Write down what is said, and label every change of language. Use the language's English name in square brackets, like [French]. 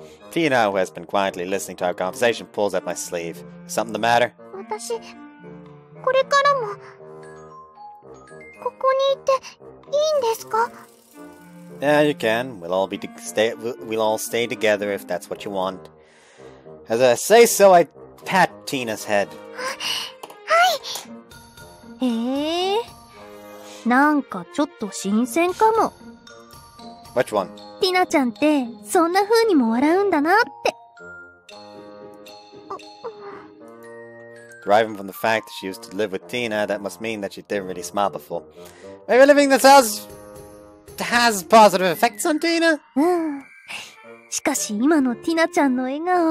[English] Tina, who has been quietly listening to our conversation, pulls at my sleeve. Is something the matter? [Japanese] 私、これからも、ここにいていいんですか? [English] Yeah, you can. We'll all stay together if that's what you want. As I say so, I pat Tina's head. [Japanese] はい。へえ。なんかちょっと新鮮かも。 [English] Which one? [Japanese] ティナちゃんってそんな風にも笑うんだなって。 [English] Deriving from the fact that she used to live with Tina, that must mean that she didn't really smile before. Maybe living this house has positive effects on Tina? [Japanese] しかし今のティナちゃんの笑顔。